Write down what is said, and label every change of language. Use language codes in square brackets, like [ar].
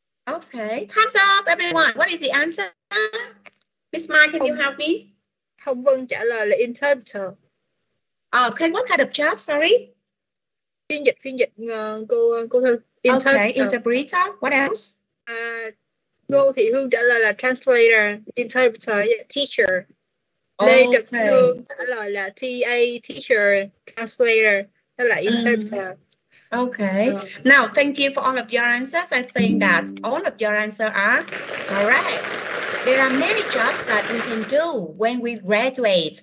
[en] Okay, thumbs up, everyone. [vi] Hồng Vân trả lời là interpreter. [en] Okay, what kind of job? Sorry. [vi] Phiên dịch, cô Hương. [en] Interpreter. Okay, interpreter. What else? [vi] Ngô Thị Hương trả lời là [en] translator, interpreter, teacher. Okay. [vi] Lê Đức Hương trả lời là [en] TA, teacher, translator, [vi] đó là interpreter. [en] Okay. Now, thank you for all of your answers. I think that all of your answers are correct. There are many jobs that we can do when we graduate.